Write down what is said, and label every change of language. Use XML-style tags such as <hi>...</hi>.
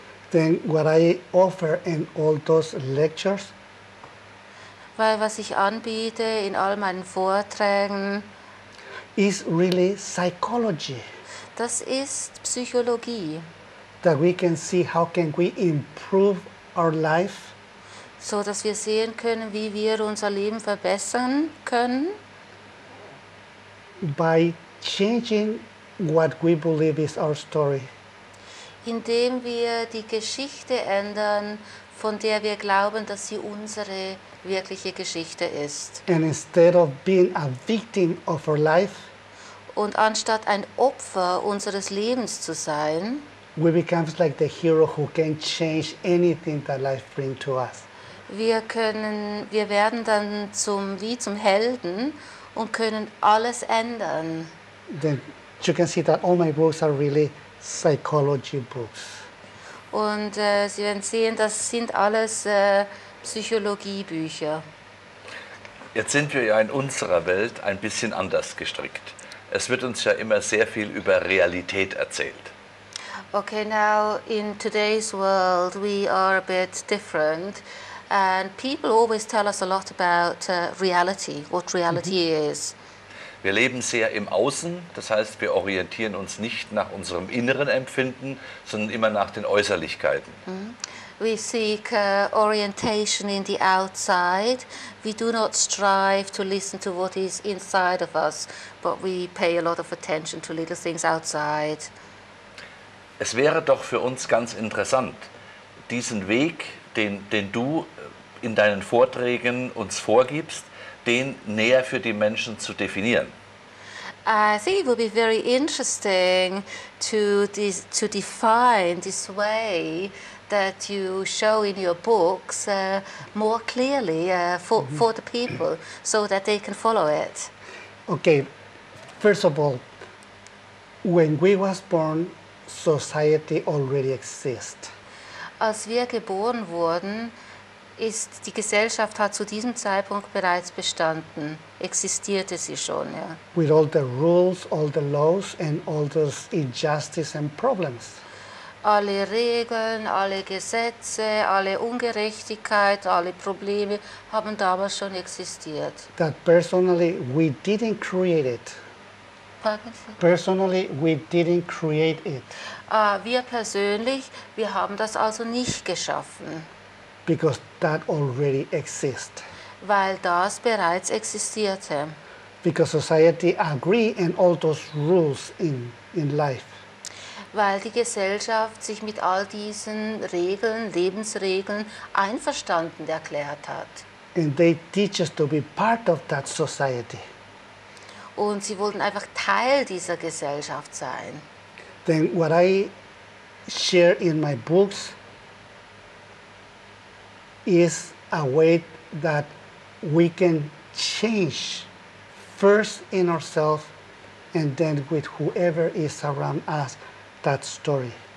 <en>Then what I offer in all those lectures,</en> <de>weil was ich anbiete in all meinen Vorträgen,</de> <en>is really psychology.</en> <de>Das ist Psychologie.</de> <en>That we can see how can we improve our life,</en> <de>so dass wir sehen können, wie wir unser Leben verbessern können,</de> <en>by changing what we believe is our story.</en> <de>Indem wir die Geschichte ändern, von der wir glauben, dass sie unsere wirkliche Geschichte ist.</de> <en>And instead of being a victim of our life,</en> <de>und anstatt ein Opfer unseres Lebens zu sein,</de> <en>we become like the hero who can change anything that life brings to us.</en> <de>Wir werden dann wie zum Helden und können alles ändern.</de> <en>Then you can see that all my books are really psychology books.</en> <de>Und Sie werden sehen, das sind alles Psychologiebücher. Jetzt sind wir ja in unserer Welt ein bisschen anders gestrickt. Es wird uns ja immer sehr viel über Realität erzählt.</de> <en>Okay, now in today's world we are a bit different. And people always tell us a lot about reality, what reality is.</en> <de>Wir leben sehr im Außen, das heißt, wir orientieren uns nicht nach unserem inneren Empfinden, sondern immer nach den Äußerlichkeiten.</de> <en>We seek orientation in the outside. We do not strive to listen to what is inside of us, but we pay a lot of attention to little things outside.</en> <de>Es wäre doch für uns ganz interessant, diesen Weg, den du in deinen Vorträgen uns vorgibst, den näher für die Menschen zu definieren.</de> <en>I think it would be very interesting to define this way that you show in your books more clearly for the people, so that they can follow it. Okay, first of all, when we was born, society already exists.</en> <de>Als wir geboren wurden, ist die Gesellschaft hat zu diesem Zeitpunkt bereits bestanden, existierte sie schon, ja.</de> <en>With all the rules, all the laws and all those injustice and problems.</en> <de>Alle Regeln, alle Gesetze, alle Ungerechtigkeit, alle Probleme haben damals schon existiert.</de> <en>That personally we didn't create it. Personally, we didn't create it.</en> <de>Wir persönlich, wir haben das also nicht geschaffen.</de> <en>Because that already exists.</en> <de>Weil das bereits existierte.</de> <en>Because society agree in all those rules in life.</en> <de>Weil die Gesellschaft sich mit all diesen Regeln, Lebensregeln einverstanden erklärt hat.</de> <en>And they teach us to be part of that society.</en> <de>Und sie wollten einfach Teil dieser Gesellschaft sein.</de> <en>Then what I share in my books is a way that we can change first in ourselves and then with whoever is around us that story.</en>